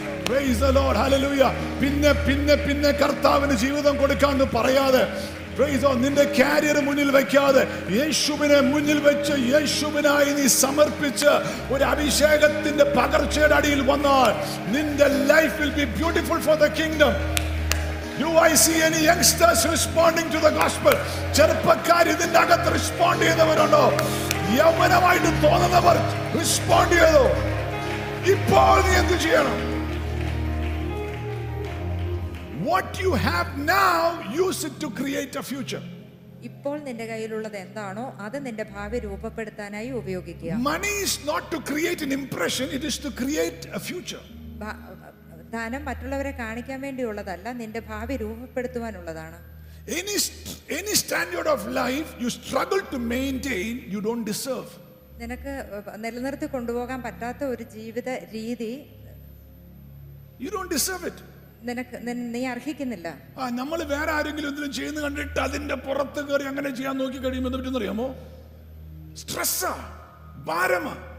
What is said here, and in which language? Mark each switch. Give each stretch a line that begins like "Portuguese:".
English: praise the Lord,
Malayalam: ഹല്ലേലൂയാ. പിന്നെ പിന്നെ പിന്നെ കർത്താവിന് ജീവിതം കൊടുക്കാമെന്ന് പറയാതെ, നിന്റെ കാരിയർ മുന്നിൽ വെക്കാതെ, യേശുവിനെ മുന്നിൽ വെച്ച് യേശുവിനായി നീ സമർപ്പിച്ച് ഒരു അഭിഷേകത്തിന്റെ പകർച്ചയുടെ അടിയിൽ വന്നാൽ നിന്റെ
English: Life will be beautiful for the kingdom. Do I see any youngsters responding to the gospel?
Malayalam: ചെറുപ്പക്കാർ ഇതിന്റെ അകത്ത് റെസ്പോണ്ട് ചെയ്തവരുണ്ടോ? യൗവനമായിട്ട് തോന്നുന്നവർ റെസ്പോണ്ട് ചെയ്തോ? ഇപ്പോൾ നീ എന്ത് ചെയ്യണം?
English: What you have now, use it to create a future.
Malayalam: ഇപ്പോൾ നിന്റെ കയ്യിലുള്ളത് എന്താണോ അത് നിന്റെ ഭാവി രൂപപ്പെടുത്താനായി ഉപയോഗിക്കുക.
English: Money is not to create an impression, it is to create a future.
Malayalam: ധനം മറ്റുള്ളവരെ കാണിക്കാൻ വേണ്ടിയുള്ളതല്ല, നിന്റെ ഭാവി രൂപപ്പെടുത്തുവാനുള്ളതാണ്.
English: any standard of life you struggle to maintain, you don't deserve.
Malayalam: നിനക്ക് നിലനിർത്തി കൊണ്ടുപോകാൻ പറ്റാത്ത ഒരു ജീവിത രീതി,
English: you don't deserve it.
Malayalam: നിനക്ക് നീ അർഹിക്കുന്നില്ല. ആ നമ്മൾ വേറെ ആരെങ്കിലും എന്തെങ്കിലും ചെയ്യുന്ന കണ്ടിട്ട് അതിന്റെ പുറത്ത് കയറി അങ്ങനെ ചെയ്യാൻ നോക്കി കഴിയുമ്പോൾ എന്ന് പറ്റുന്നറിയാമോ? സ്ട്രെസ്സാ, ഭാരമാ.